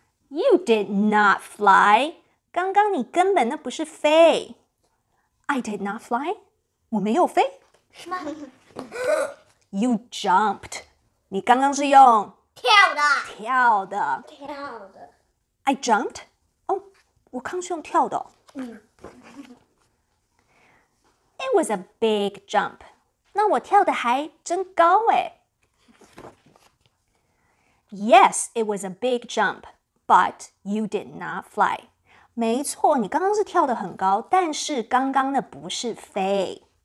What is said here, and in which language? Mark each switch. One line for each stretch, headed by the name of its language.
English: You did not fly。
Chinese: 刚刚你根本那不是飞。
English: I did not fly。
Chinese: 我没有飞，什么？
English: You jumped，
Chinese: 你刚刚是用跳的，跳的，跳的。
English: I jumped，
Chinese: 哦，我刚是用跳的、哦。嗯。
English: It was a big jump，
Chinese: 那我跳的还真高哎。
English: Yes， it was a big jump， but you did not fly。
Chinese: 没错，你刚刚是跳的很高，但是刚刚的不是飞。